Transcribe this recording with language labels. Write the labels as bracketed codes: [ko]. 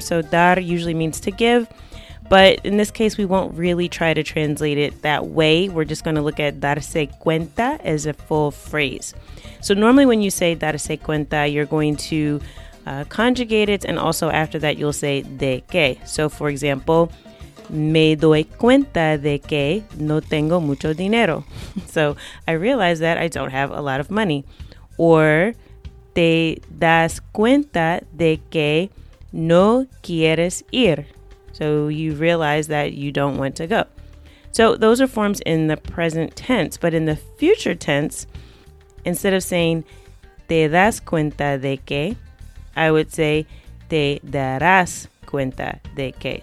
[en] So dar usually means to give. But in this case, we won't really try to translate it that way. We're just going to look at darse cuenta as a full phrase. So normally when you say darse cuenta, you're going to conjugate it. And also after that, you'll say de qué. So, for example, [es] me doy cuenta de que no tengo mucho dinero. [en] So I realize that I don't have a lot of money. Or [es] te das cuenta de que no quieres ir. [en] So you realize that you don't want to go. So those are forms in the present tense. But in the future tense, instead of saying [es] te das cuenta de que, [en] I would say [es] te darás cuenta de que.